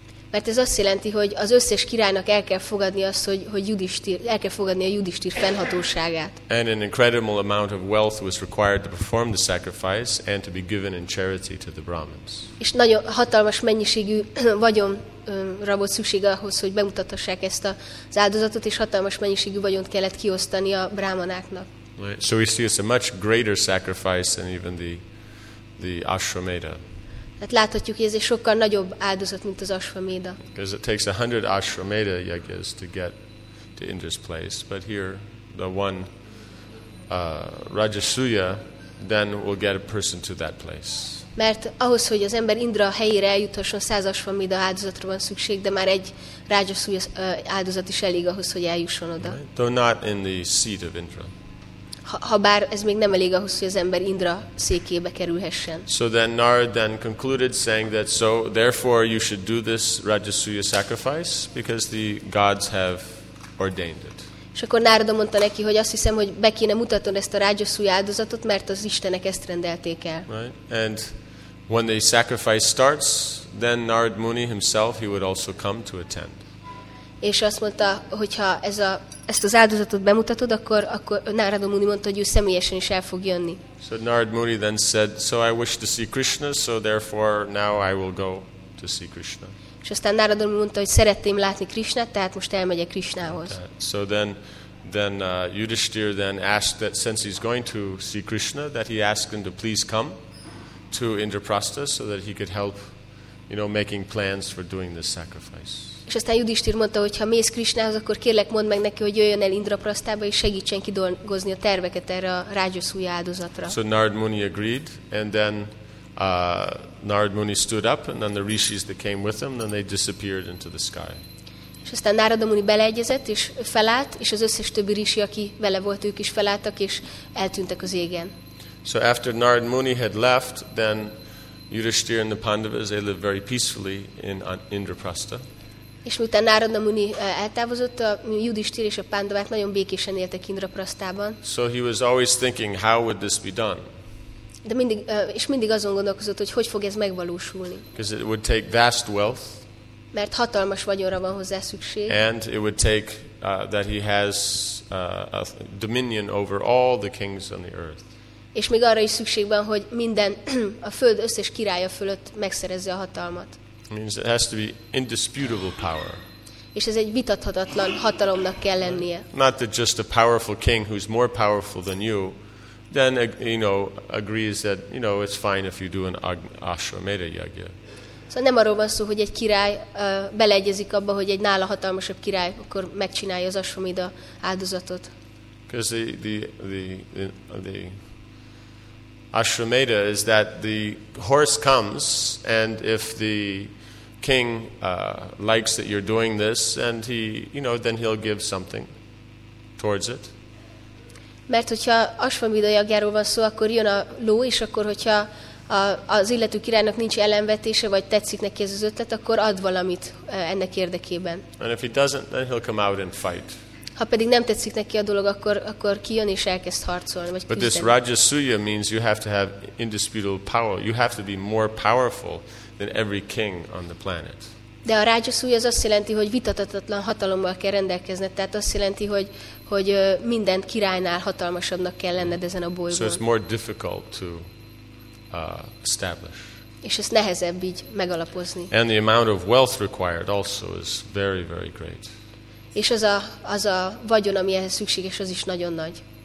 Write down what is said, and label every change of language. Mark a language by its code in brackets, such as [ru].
[hu] Mert ez azt jelenti, hogy az összes királynak el kell fogadni azt, hogy Yudhishthir, el kell fogadni a Yudhishthir fennhatóságát. [en] And an incredible amount of wealth was required to perform the sacrifice and to be given in charity to the Brahmins. [hu] És nagyon hatalmas mennyiségű vagyonra volt szükség ahhoz, hogy bemutathassák ezt az áldozatot, és hatalmas mennyiségű vagyont kellett kiosztani a brámanáknak. [en] Right. So we see it's a much greater sacrifice than even the Ashwamedha. [hu] Tehát láthatjuk, hogy ez egy sokkal nagyobb áldozat, mint az Ashwamedha. [en] Because it takes 100 Ashwamedha yagyas to get to Indra's place, but here the one Rajasuya then will get a person to that place. [hu] Mert ahhoz, hogy az ember Indra helyére eljuthasson, 100 Ashwamedha áldozatra van szükség, de már egy Rajasuya áldozat is elég ahhoz, hogy eljusson oda. [en] Right. Though not in the seat of Indra. [hu] Habár ez még nem elég ahhoz, hogy az ember Indra székébe kerülhessen. [en] So then Narad then concluded saying that so therefore you should do this Rajasuya sacrifice because the gods have ordained it. [hu] És akkor Narada mondta neki, hogy azt hiszem, hogy be kéne mutatnod ezt a Rajasuya áldozatot, mert az istenek ezt rendelték el. [en] Right. And when the sacrifice starts, then Narad Muni himself he would also come to attend. [hu] És azt mondta, hogyha ezt az áldozatot bemutatod, akkor Narad Muni mondta, hogy ő személyesen is el fog jönni. [en] So Narad Muni then said, so I wish to see Krishna, so therefore now I will go to see Krishna. [hu] És aztán Narad Muni mondta, hogy szeretném látni Krishnát, tehát most elmegyek Krishnához. [en] So then Yudhishthir then asked that since he's going to see Krishna, that he asked him to please come to Indraprastha so that he could help, you know, making plans for doing this sacrifice. [hu] És aztán Yudhishthir mondta, hogy ha mész Krishnához, akkor kérlek mondd meg neki, hogy jöjjön el Indraprasztába és segítsen kidolgozni a terveket erre a Rajasuya áldozatra. [en] So Narad Muni agreed, and then Narad Muni stood up, and then the rishis that came with him, then they disappeared into the sky. [hu] És aztán Narad Muni beleegyezett és felállt, és az összes többi rishi, aki vele volt, ők is felálltak és eltűntek az égen. [en] So after Narad Muni had left, then Yudhishthir and the Pandavas they lived very peacefully in Indraprastha. [hu] És miután Narada Muni eltávozott, a Yudhishthir és a Pandavák nagyon békésen éltek Indraprasztában. [en] So he was always thinking, how would this be done? [hu] De mindig és mindig azon gondolkozott, hogy fog ez megvalósulni. [en] Because it would take vast wealth. [hu] Mert hatalmas vagyonra van hozzá szükség. [en] And it would take that he has a dominion over all the kings on the earth. [hu] És még arra is szükség van, hogy minden a föld összes királya fölött megszerezze a hatalmat. [en] Means it has to be indisputable power. [hu] És ez egy vitathatatlan hatalomnak kell lennie. [en] Not that just a powerful king who's more powerful than you, then you know agrees that you know it's fine if you do an Ashwamedha yagya. [hu] Szóval nem arról van szó, hogy egy király beleegyezik abba, hogy egy nála hatalmasabb király akkor megcsinálja az Ashwamedha áldozatot. [en] Because the Ashwamedha is that the horse comes, and if the king likes that you're doing this, and he, you know, then he'll give something towards it. [hu] Mert hogyha Ashwamedha jagjáról van szó, akkor jön a ló, és akkor hogyha az illető királynak nincs ellenvetése, vagy tetszik neki ez az ötlet, akkor ad valamit ennek érdekében. [en] And if he doesn't, then he'll come out and fight. [hu] Ha pedig nem tetszik neki a dolog, akkor kijön és elkezd harcolni, vagy küzdeni. [en] But this Rajasuya means you have to have indisputable power. You have to be more powerful than every king on the planet. [hu] De a rágyaszúj az azt jelenti, hogy vitathatatlan hatalommal kell rendelkezned. Tehát azt jelenti, hogy, hogy mindent királynál hatalmasabbnak kell lenned ezen a bolygón. [en] So it's more difficult to establish. [hu] És ezt nehezebb így megalapozni. [en] And the amount of wealth required also is very, very great. [hu] És az a, az a vagyon, ami ehhez szükséges, az is nagyon nagy.